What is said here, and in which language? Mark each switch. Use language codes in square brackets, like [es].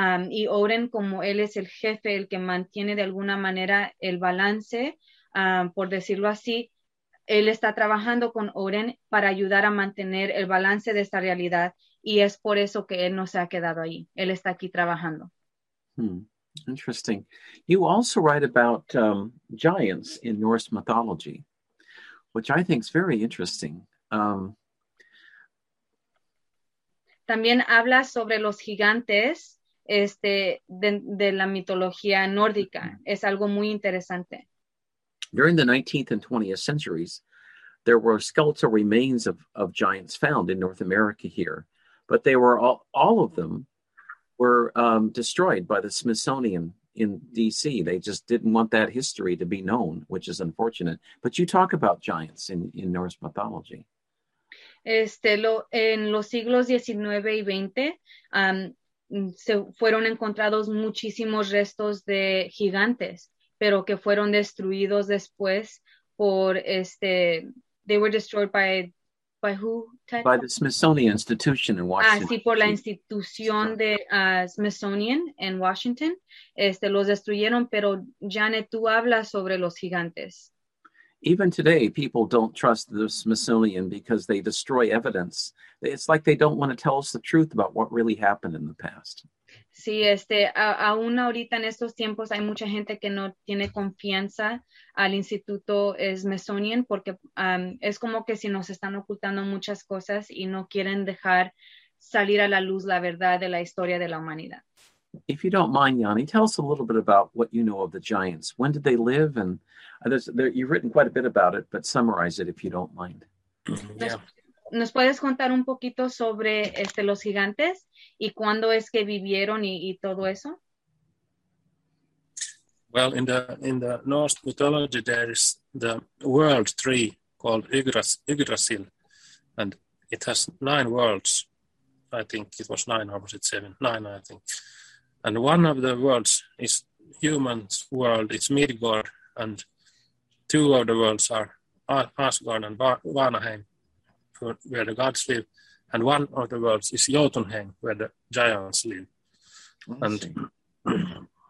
[es] Y Odin, como él es el jefe, el que mantiene de alguna manera el balance, por decirlo así, él está trabajando con Odin para ayudar a mantener el balance de esta realidad, y es por eso que él no se ha quedado ahí. Él está aquí trabajando. [en] Interesting. You also write about giants in Norse mythology, which I think is very interesting. [es] También habla sobre los gigantes de la mitología nórdica. Es algo muy interesante. [en] During the 19th and 20th centuries, there were skeletal remains of giants found in North America here, but they were all of them were destroyed by the Smithsonian in D.C. They just didn't want that history to be known, which is unfortunate. But you talk about giants in Norse mythology. [es] En los siglos 19 y 20, se fueron encontrados muchísimos restos de gigantes, pero que fueron destruidos después por [en] they were destroyed by who? Ted? By the Smithsonian Institution in Washington. [es] Sí, por la institución de Smithsonian en Washington. Los destruyeron, pero Janne, tú hablas sobre los gigantes. [en] Even today, people don't trust the Smithsonian because they destroy evidence. It's like they don't want to tell us the truth about what really happened in the past. [es] Sí, aún ahorita en estos tiempos hay mucha gente que no tiene confianza al Instituto Smithsonian porque es como que si nos están ocultando muchas cosas y no quieren dejar salir a la luz la verdad de la historia de la humanidad. [en] If you don't mind, Janne, tell us a little bit about what you know of the giants. When did they live? And you've written quite a bit about it, but summarize it if you don't mind. [es] ¿Nos puedes contar un poquito sobre los gigantes y cuándo es que vivieron y todo eso? [en] Well, in the Norse mythology, there is the world tree called Yggdrasil, and it has nine worlds. I think it was nine, or was it seven? Nine, I think. And one of the worlds is human's world, it's Midgard, and two of the worlds are Asgard and Vanaheim, where the gods live, and one of the worlds is Jotunheim, where the giants live. And